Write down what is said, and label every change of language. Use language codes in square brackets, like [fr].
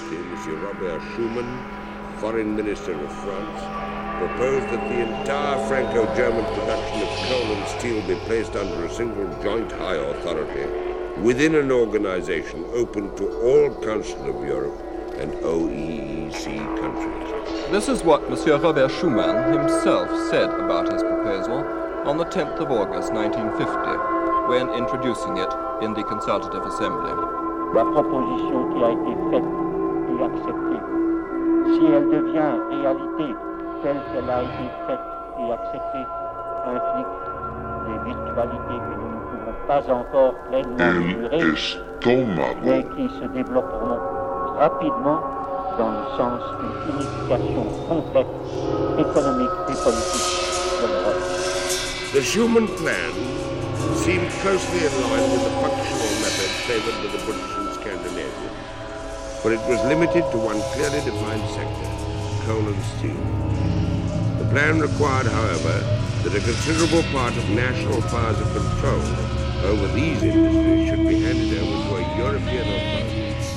[en] Monsieur Robert Schuman, Foreign Minister of France, proposed that the entire Franco-German production of coal and steel be placed under a single joint high authority within an organization open to all Council of Europe and OEEC countries. This is what Monsieur Robert Schuman himself said about his proposal on the 10th of August 1950 when introducing it in the Consultative Assembly. [fr] "La proposition qui a été faite acceptée. Si elle devient réalité telle qu'elle a été faite et acceptée, implique des mutualités que nous ne pouvons pas encore pleinement mesurer, mais qui se développeront rapidement dans le sens d'une unification complète économique et politique de l'Europe." [en] The Schuman plan seemed closely in line with the functional method favored by the British and Scandinavians. But it was limited to one clearly defined sector, coal and steel. The plan required, however, that a considerable part of national powers of control over these industries should be handed over to a European authority.